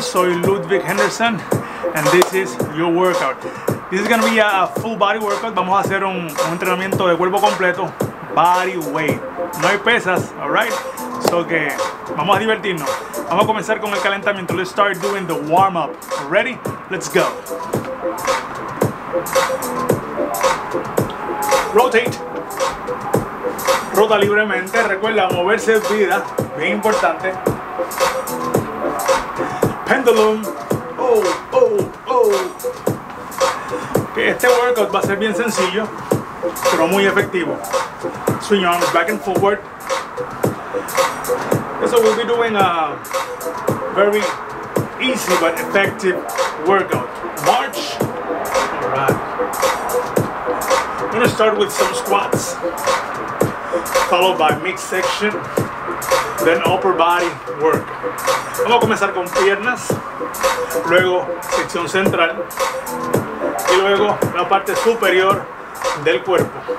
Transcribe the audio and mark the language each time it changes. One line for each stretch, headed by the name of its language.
Spanish: Soy
English: Ludwig Henderson, and this is your workout. This is gonna be a full body workout.
Spanish: Vamos a hacer un entrenamiento de cuerpo completo,
English: body weight.
Spanish: No hay pesas,
English: all right?
Spanish: So que vamos a divertirnos. Vamos a comenzar con el calentamiento.
English: Let's start doing the warm up. Ready? Let's go.
Spanish: Rotate. Rota libremente. Recuerda, moverse es vida. Bien importante.
English: Pendulum. Oh, oh, oh.
Spanish: Okay, este workout va a ser bien sencillo, pero muy efectivo.
English: Swing your arms back and forward. So we'll be doing a very easy but effective workout. March. Alright. I'm gonna start with some squats, followed by mixed section, then upper body work.
Spanish: Vamos a comenzar con piernas, luego sección central, y luego la parte superior del cuerpo.